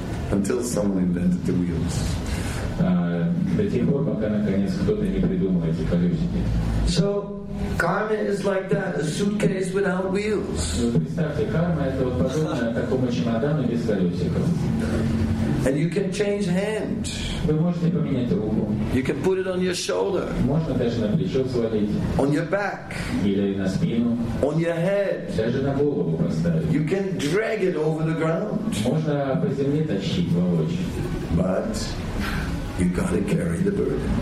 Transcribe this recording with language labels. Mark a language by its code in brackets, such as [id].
[en] Until someone invented the wheels. [ru] До тех пор, пока наконец кто-то не придумал эти колесики. [en] So, karma is like that, a suitcase without wheels. [ru] Представьте, карма это вот подобно такому чемодану без колесиков. [en] And you can change hands. [ru] Вы можете поменять руку. [en] You can put it on your shoulder. [ru] Можно даже на плечо свалить. [en] On your back. [ru] Или на спину. [en] On your head. [ru] Даже на голову поставить. [en] You can drag it over the ground. [ru] Можно по земле тащить вовочи. [en] But you got to carry the burden.